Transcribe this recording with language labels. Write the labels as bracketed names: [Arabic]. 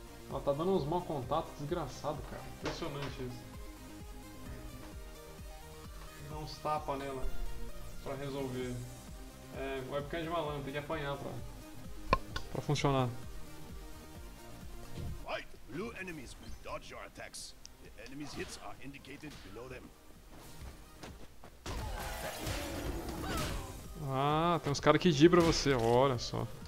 [Portuguese] Ela tá dando uns maus contatos, desgraçado, cara. Impressionante isso. Dá uns tapas nela pra resolver. É, webcam de malandro, tem que apanhar pra funcionar. [English] Fight! Blue enemies will dodge your attacks. The enemy's hits are indicated below them. [Portuguese] Ah, tem uns caras que dibram você, olha só.